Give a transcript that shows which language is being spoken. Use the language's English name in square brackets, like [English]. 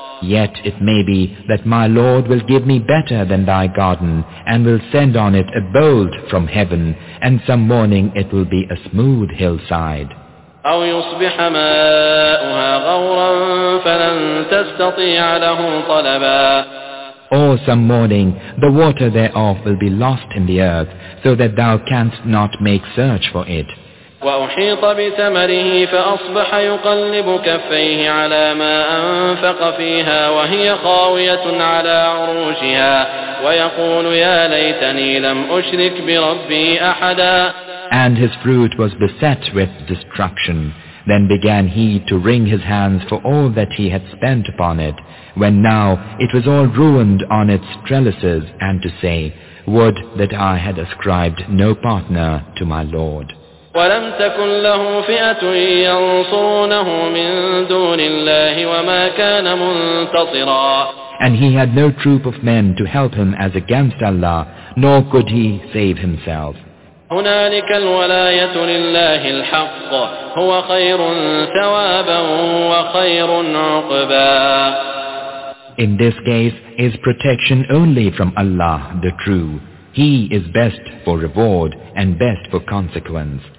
[English] Yet it may be that my Lord will give me better than thy garden, and will send on it a bolt from heaven, and some morning it will be a smooth hillside. [Arabic] أو يصبح ماؤها غورا فلن تستطيع له طلبا. [English] Or some morning the water thereof will be lost in the earth, so that thou canst not make search for it. [Arabic] وأحيط بثمره فأصبح يقلب كفيه على ما أنفق فيها وهي خاوية على عروشها ويقول يا ليتني لم أشرك بربي أحدا. [English] And his fruit was beset with destruction. Then began he to wring his hands for all that he had spent upon it, when now it was all ruined on its trellises, and to say, Would that I had ascribed no partner to my Lord. [Arabic] ولم تكن له فئة ينصرونه من دون الله وما كان منتصرا. [English] And he had no troop of men to help him as against Allah, nor could he save himself. [Arabic] هنالك الولاية لله الحق هو خير ثوابا وخير عقبا. [English] In this case is protection only from Allah the true. He is best for reward and best for consequence.